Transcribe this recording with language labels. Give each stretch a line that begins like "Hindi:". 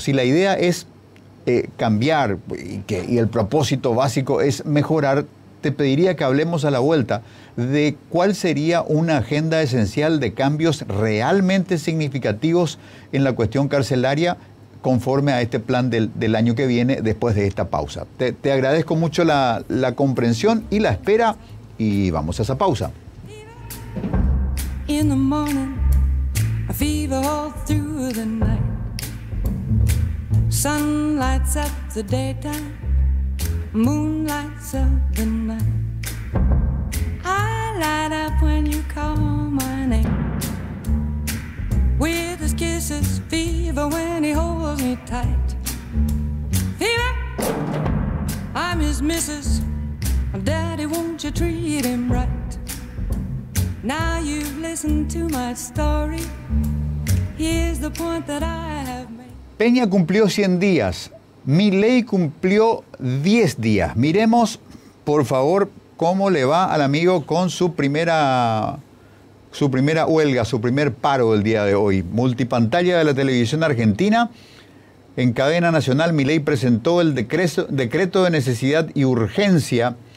Spanish: Si la idea es cambiar y el propósito básico es mejorar, te pediría que hablemos a la vuelta de cuál sería una agenda esencial de cambios realmente significativos en la cuestión carcelaria conforme a este plan del año que viene, después de esta pausa. Te agradezco mucho la comprensión y la espera, y vamos a esa pausa.
English: In the morning, I feel all through the night. Sun lights up the daytime, moon lights up the night. I light up when you call my name. With his kisses, fever when he holds me tight. Fever, I'm his missus. Daddy, won't you treat him right? Now you've listened to my story. Here's the point that I have made.
Spanish: Peña cumplió 100 días, Milei cumplió 10 días. Miremos, por favor, cómo le va al amigo con su primera huelga, su primer paro del día de hoy. Multipantalla de la televisión argentina, en cadena nacional, Milei presentó el decreto de necesidad y urgencia.